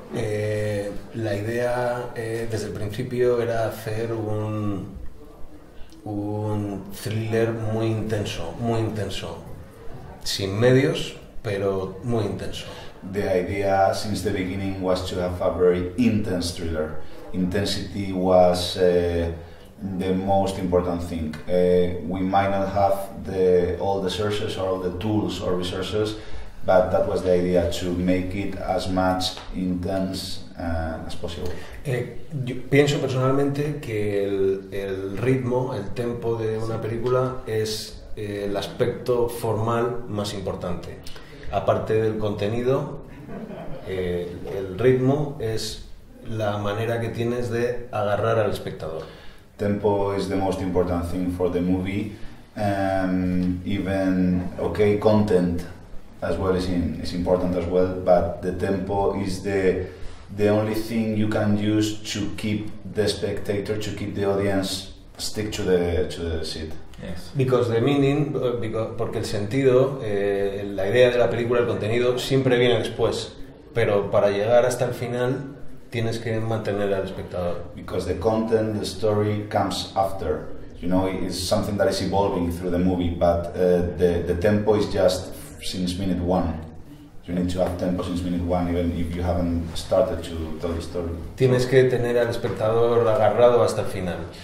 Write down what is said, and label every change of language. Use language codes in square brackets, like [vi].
[es] La idea desde el principio era hacer un thriller muy intenso, muy intenso. Sin medios, pero muy intenso. [en] The idea since the beginning was to have a very intense thriller. Intensity was the most important thing. We might not have all the sources or all the tools or resources, but that was the idea, to make it as much intense as possible. [es] Yo pienso personalmente que el ritmo, el tempo de una película es el aspecto formal más importante. Aparte del contenido, el ritmo es la manera que tienes de agarrar al espectador. [en] Tempo is the most important thing for the movie, even, okay, content as well is important as well, but the tempo is the only thing you can use to keep the spectator, to keep the audience stick to the seat. Yes. Because the meaning, [es] porque el sentido, la idea de la película, el contenido, siempre viene después. Pero para llegar hasta el final, tienes que mantener al espectador. [en] Because the content, the story comes after. You know, it's something that is evolving through the movie, but the tempo is just since minute one. You need to have tempo since minute one, even if you haven't started to tell the story. [es] Tienes que tener al espectador agarrado hasta el final.